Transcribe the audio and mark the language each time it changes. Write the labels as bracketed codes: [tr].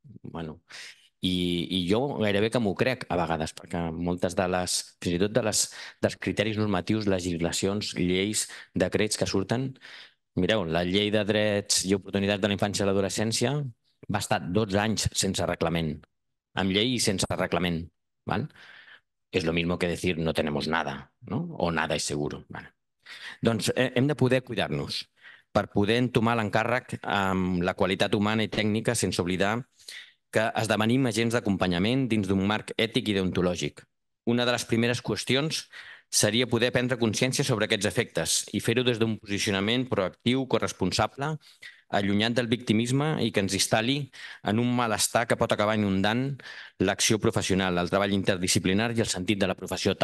[ca] Bueno, i jo gairebé que m'ho crec a vegades, perquè moltes de les, fins i tot de les, dels criteris normatius, legislacions, lleis, decrets que surten, mireu, la llei de drets i oportunitats de la infància i l'adolescència va estar 12 anys sense reglament, amb llei i sense reglament, val? [es] És lo mismo que decir no tenemos nada, no? O nada es seguro, val? [ca] Doncs hem de poder cuidar-nos, per poder entomar l'encàrrec amb la qualitat humana i tècnica sense oblidar que esdevenim agents d'acompanyament dins d'un marc ètic i deontològic. Una de les primeres qüestions seria poder prendre consciència sobre aquests efectes i fer-ho des d'un posicionament proactiu, corresponsable, allunyat del victimisme i que ens instal·li en un malestar que pot acabar inundant l'acció professional, el treball interdisciplinar i el sentit de la professió.